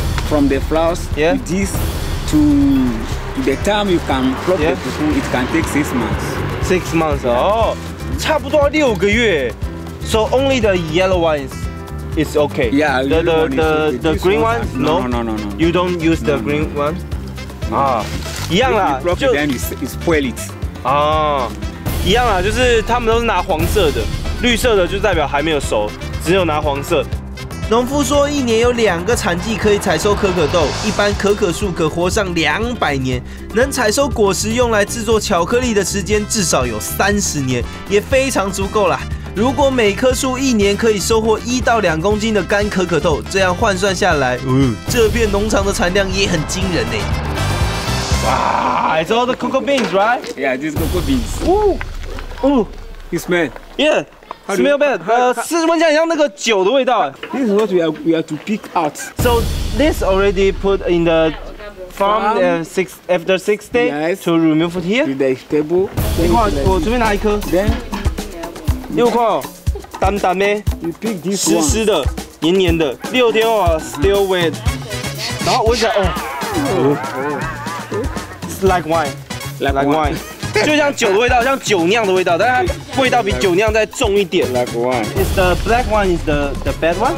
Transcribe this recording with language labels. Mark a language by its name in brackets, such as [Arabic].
[English] from the flowers, yeah, with this to the time you can crop, yeah, the cocoon, it can take 6 months. 6 months, yeah. Oh, [Chinese] 差不多六个月。 [English] So only the yellow ones is okay. Yeah, the green ones, no? No, no, no, no. You don't use the green one? Ah, [Chinese] 一样啦。 [English] If you crop it, then it's spoil it. [Chinese] Ah, 一样啦，就是他们都是拿黄色的，绿色的就代表还没有熟，只有拿黄色。农夫说，一年有两个产季可以采收可可豆，一般可可树可活上200年，能采收果实用来制作巧克力的时间至少有30年，也非常足够了。如果每棵树一年可以收获1到2公斤的干可可豆，这样换算下来，这片农场的产量也很惊人呢。 [English] 哇 ，It's all the cocoa beans, right? Yeah, this cocoa beans. Ooh, ooh, it's man. Yeah. Smell bad. [Chinese] 是闻起来像那个酒的味道。 [English] This is what we are to pick out. So this already put in the farm after 6 days, yes, to remove it here. With the stable. [Chinese] 一块，我这边拿一颗。 [English] Then [Chinese] 六块，淡淡的。 [English] You pick this one. [Chinese] 湿湿的，黏黏的，六天哦 ， [English] still wet. [Chinese] 然后闻起来哦 ， [English] like wine, like wine. [Chinese] 就像酒的味道，像酒酿的味道，但它味道比酒酿再重一点。 [English] Black one. Is the black one is the bad one?